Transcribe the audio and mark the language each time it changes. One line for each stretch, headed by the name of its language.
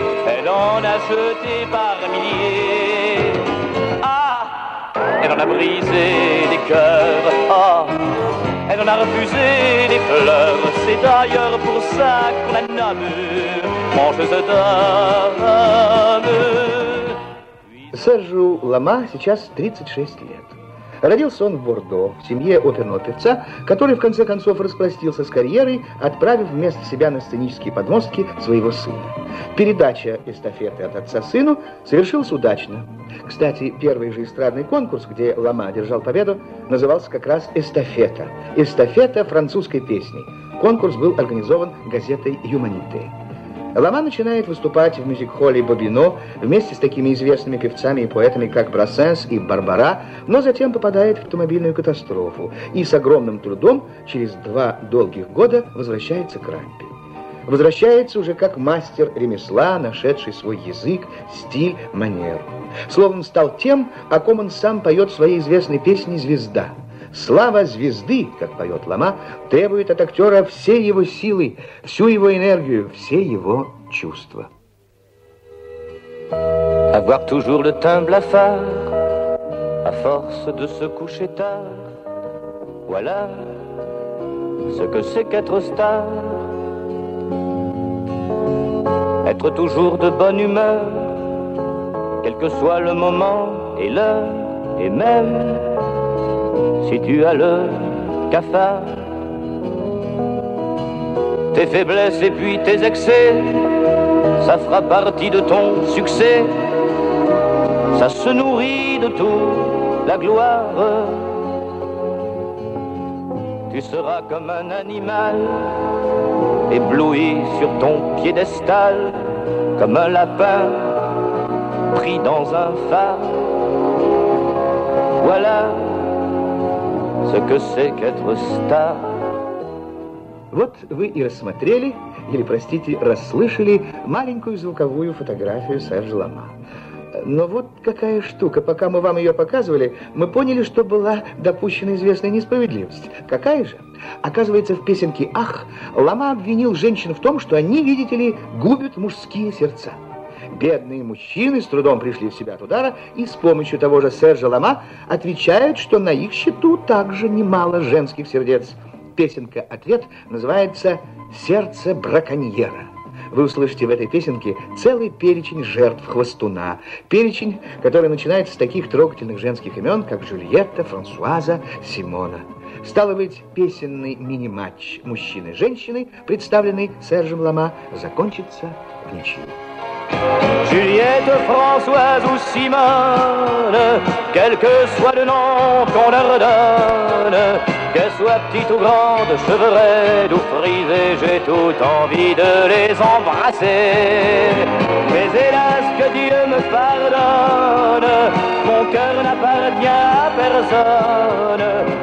French: Elle en a jeté par milliers. Ah! Elle en a brisé des cœurs. Ah! Elle en a refusé des fleurs. C'est d'ailleurs pour ça qu'on la nomme mangeuse d'hommes.
Russian: Сержу Лама сейчас 36 лет. Родился он в Бордо, в семье оперного певца, который в конце концов распростился с карьерой, отправив вместо себя на сценические подмостки своего сына. Передача эстафеты от отца сыну совершилась удачно. Кстати, первый же эстрадный конкурс, где Лама одержал победу, назывался как раз «Эстафета». «Эстафета французской песни». Конкурс был организован газетой «Юманите». Лама начинает выступать в мюзик-холле «Бобино» вместе с такими известными певцами и поэтами, как Брассенс и Барбара, но затем попадает в автомобильную катастрофу и с огромным трудом через 2 долгих года возвращается к рампе. Возвращается уже как мастер ремесла, нашедший свой язык, стиль, манеру. Словом, стал тем, о ком он сам поет в своей известной песне «Звезда». Слава звезды, как поет Лама, требует от актера все его силы, всю его энергию, все его чувства.
French: Avoir toujours le teint blafard, à force de se coucher tard, voilà ce que c'est qu'être star. Être toujours de bonne humeur, quel que soit le moment et l'heure, et même si tu as le cafard, tes faiblesses et puis tes excès. Ça fera partie de ton succès. Ça se nourrit de tout la gloire. Tu seras comme un animal ébloui sur ton piédestal, comme un lapin pris dans un phare. Voilà ce que c'est qu'être star.
Russian: Вот вы и рассмотрели, или, простите, расслышали маленькую звуковую фотографию Сержа Лама. Но вот какая штука. Пока мы вам ее показывали, мы поняли, что была допущена известная несправедливость. Какая же? Оказывается, в песенке «Ах» Лама обвинил женщин в том, что они, видите ли, губят мужские сердца. Бедные мужчины с трудом пришли в себя от удара и с помощью того же Сержа Лама отвечают, что на их счету также немало женских сердец. Песенка-ответ называется «Сердце браконьера». Вы услышите в этой песенке целый перечень жертв хвостуна. Перечень, который начинается с таких трогательных женских имен, как Джульетта, Франсуаза, Симона. Стало быть, песенный мини-матч мужчины и женщины, представленный Сержем Лама, закончится в ничью.
French: Джульетта, Франсуаза ou Симона, quel que soit le nom qu'on leur donne, qu'elle soit petite ou grande, cheveux raides ou frisés, j'ai toute envie de les embrasser. Mais hélas, que Dieu me pardonne, mon cœur n'appartient à personne.